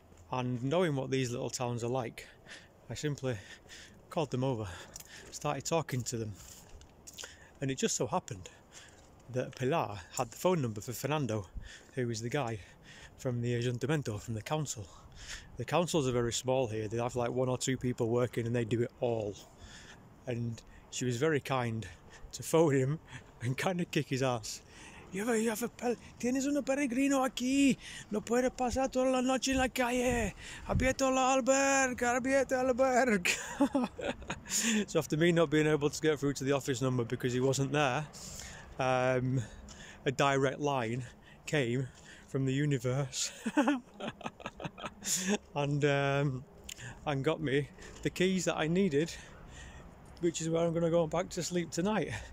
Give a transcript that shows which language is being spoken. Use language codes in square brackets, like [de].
[en] And knowing what these little towns are like, I simply called them over, started talking to them, and it just so happened that Pilar had the phone number for Fernando, who is the guy from the Ayuntamiento, from the council. The councils are very small here, they have like one or two people working and they do it all. And she was very kind to phone him and kind of kick his ass. [es] Tienes un peregrino aquí, no puede pasar toda la noche en la calle. Abierto el albergue, abierto el albergue. [en] So after me not being able to get through to the office number because he wasn't there, a direct line came from the universe and got me the keys that I needed, which is where I'm going to go back to sleep tonight.